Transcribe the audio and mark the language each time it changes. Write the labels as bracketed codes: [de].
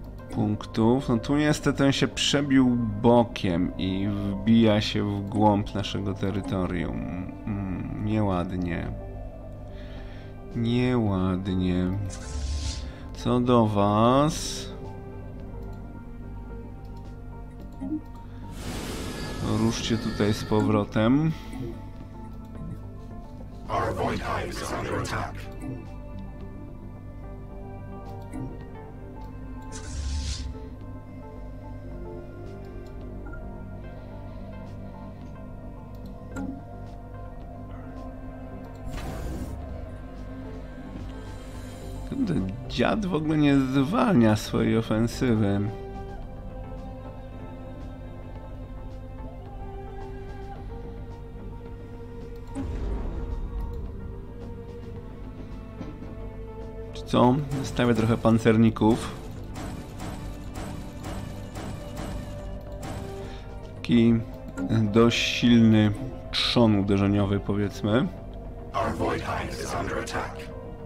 [pl] Punktów. No tu niestety on się przebił bokiem i wbija się w głąb naszego terytorium. Nieładnie. Nieładnie. Co do was? Ruszcie tutaj z powrotem. [en] Our void hive is under attack. [pl] Kurde, dziad w ogóle nie zwalnia swojej ofensywy. Co? Stawię trochę pancerników. Taki dość silny trzon uderzeniowy, powiedzmy. [en] Our Void Hive is under attack.